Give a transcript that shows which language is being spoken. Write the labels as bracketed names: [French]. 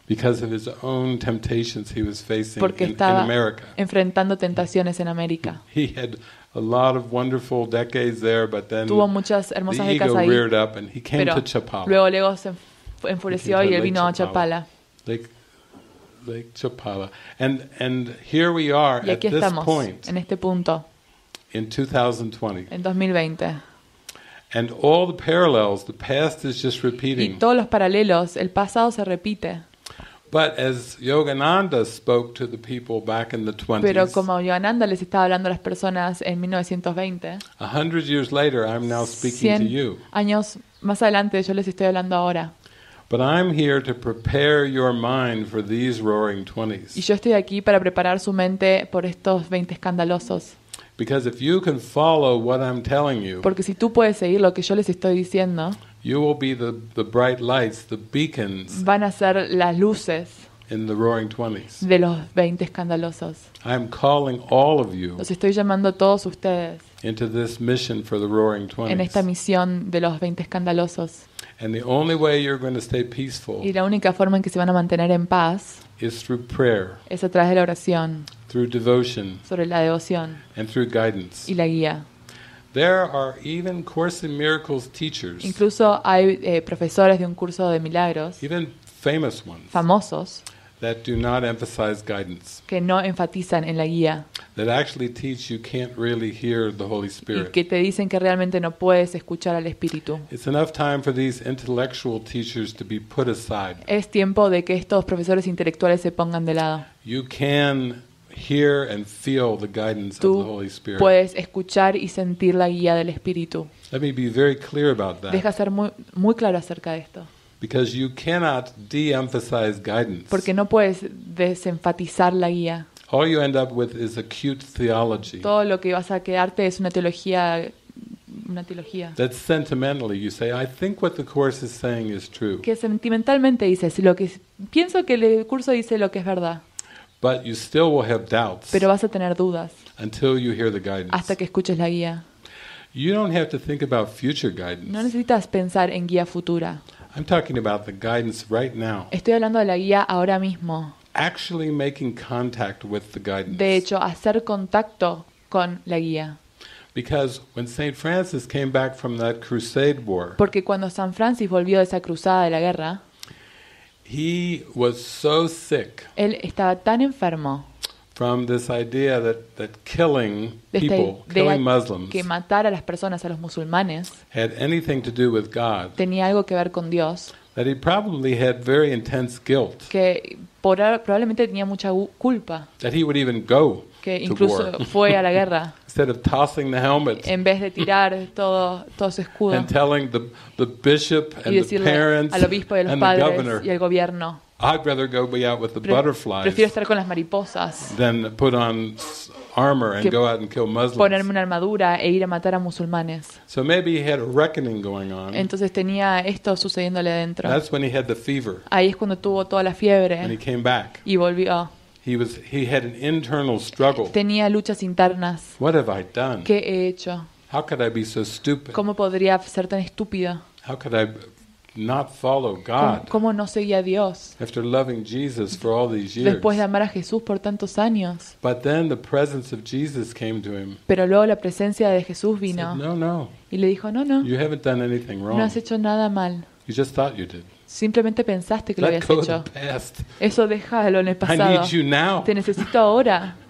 [English] Because of his own temptations he was facing [Spanish] porque [English] in America. [Spanish] Enfrentando tentaciones en América. [English] He had a lot of wonderful decades there, but then [Spanish] tuvo muchas hermosas [English] the [Spanish] décadas [English] ego [Spanish] ahí, [English] reared up and he came [Spanish] pero [English] to Chapala. [Spanish] Luego luego se enfureció y él vino a Chapala. [English] Lake Chapala. And here we are [Spanish] y aquí [English] at this [Spanish] estamos, [English] point [Spanish] en este punto, [English] in 2020. [Spanish] En 2020. [English] And all the parallels, the past is just repeating. [Spanish] Y todos los paralelos, el pasado se repite. [English] But as Yogananda spoke to the people back in the 20s. [Spanish] Pero como Yogananda les estaba hablando a las personas en 1920. [English] 100 years later, I'm now speaking to you. [Spanish] 100 años más adelante, yo les estoy hablando ahora. [English] But I'm here to prepare your mind for these roaring 20s. [Spanish] Y yo estoy aquí para preparar su mente por estos 20 escandalosos. [English] Because if you can follow what I'm telling you. [Spanish] Porque si tú puedes seguir lo que yo les estoy diciendo. [English] You will be the bright lights, the beacons. [Spanish] Van a ser las luces. [English] In the roaring 20s. [Spanish] De los 20 escandalosos. [English] I'm calling all of you. [Spanish] Los estoy llamando a todos ustedes. [English] Into this mission for the roaring 20s. [Spanish] En esta misión de los 20 escandalosos. [English] And the only way you're going to stay peaceful. [Spanish] Y la única forma en que se van a mantener en paz. [English] Is through prayer. [Spanish] Es a través de la oración. [English] Through devotion. [Spanish] Sobre la devoción. [English] And through guidance. [Spanish] Y la guía. [English] There are even Course in Miracles teachers. [Spanish] Incluso hay profesores de un curso de milagros. [English] Even famous ones. [Spanish] Famosos. [English] That do not emphasize guidance. [Spanish] Que no enfatizan en la guía. [English] That actually teach you can't really hear the Holy Spirit. [Spanish] Y que te dicen que realmente no puedes escuchar al Espíritu. [English] It's enough time for these intellectual teachers to be put aside. [Spanish] Es tiempo de que estos profesores intelectuales se pongan de lado. [English] You can hear and feel the guidance [Spanish] tú [English] of the Holy Spirit. [Spanish] Tú puedes escuchar y sentir la guía del Espíritu. [English] Let me be very clear about that. [Spanish] Deja ser muy claro acerca de esto. [English] Because you cannot de-emphasize guidance. [Spanish] Porque no puedes desenfatizar la guía. [English] All you end up with is acute theology. [Spanish] Todo lo que vas a quedarte es una teología. [English] That sentimentally you say, I think what the course is saying is true. [Spanish] Que sentimentalmente dices lo que pienso que el curso dice lo que es verdad. [English] But you still will have doubts. [Spanish] Pero vas a tener dudas. [English] Until you hear the guidance. [Spanish] Hasta que escuches la guía. [English] You don't have to think about future guidance. [Spanish] No necesitas pensar en guía futura. [English] I'm talking about the guidance right now. [Spanish] Estoy hablando de la guía ahora mismo. [English] Actually making contact with the guidance. [Spanish] De hecho, hacer contacto con la guía. [English] Because when Saint Francis came back from that crusade war. [Spanish] Porque cuando San Francis volvió de esa cruzada de la guerra. [English] He was so sick. [Spanish] Él estaba tan enfermo. [English] From this idea that killing people, killing Muslims, [Spanish] que matar a las personas, a los musulmanes, [English] had anything to do with God, [Spanish] tenía algo que ver con Dios, [English] that he probably had very intense guilt, [Spanish] que probablemente tenía mucha culpa, [English] that he would even go to war, [Spanish] que incluso fue a la guerra, [English] instead of tossing the helmet, [Spanish] en vez de tirar todo su escudo, [English] and telling the bishop and the parents, [Spanish] al obispo y a los padres y al gobierno. [English] I'd rather go be out with the butterflies. [Spanish] Prefiero estar con las mariposas. [English] Than put on armor and go out and kill Muslims. [Spanish] Ponerme una armadura e ir a matar a musulmanes. [English] So maybe he had a reckoning going on. [Spanish] Entonces tenía esto sucediéndole adentro. [English] That's when he had the fever. [Spanish] Ahí es cuando tuvo toda la fiebre. [English] And he came back. [Spanish] Y volvió. [English] He had an internal struggle. [Spanish] Tenía luchas internas. [English] What have I done? [Spanish] ¿Qué he hecho? [English] How could I be so stupid? [Spanish] ¿Cómo podría ser tan estúpido? [English] How could I not follow God? [Spanish] ¿Cómo no seguía a Dios? [English] After loving Jesus for all these years. [Spanish] Después de amar a Jesús por tantos años. [English] But then the presence of Jesus came to him. [Spanish] Pero luego la presencia de Jesús vino. [English] Said, no. [Spanish] Y le dijo, no. [English] You haven't done anything wrong. [Spanish] No has hecho nada mal. [English] You just thought you did. [Spanish] Simplemente pensaste que lo habías hecho. [English] Let go of the past. [Spanish] Eso déjalo en el pasado. [English] I need you now. [Spanish] Te necesito ahora.